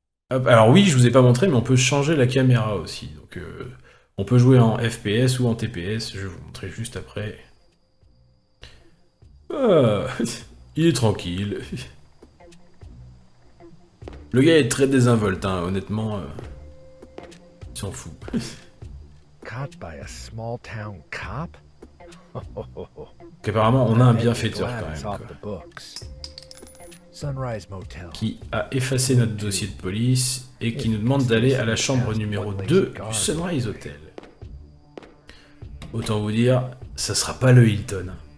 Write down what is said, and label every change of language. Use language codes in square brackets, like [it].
[fr] Hop. Alors oui, je vous ai pas montré, mais on peut changer la caméra aussi. Donc... On peut jouer en FPS ou en TPS, je vais vous montrer juste après. Ah, il est tranquille. Le gars est très désinvolte, hein, honnêtement. Il s'en fout. [en] Caught by a small town cop? [fr] Apparemment, on a un bienfaiteur quand même. Sunrise Motel. Qui a effacé notre dossier de police et qui nous demande d'aller à la chambre numéro 2 du Sunrise Hotel. Autant vous dire, ça sera pas le Hilton.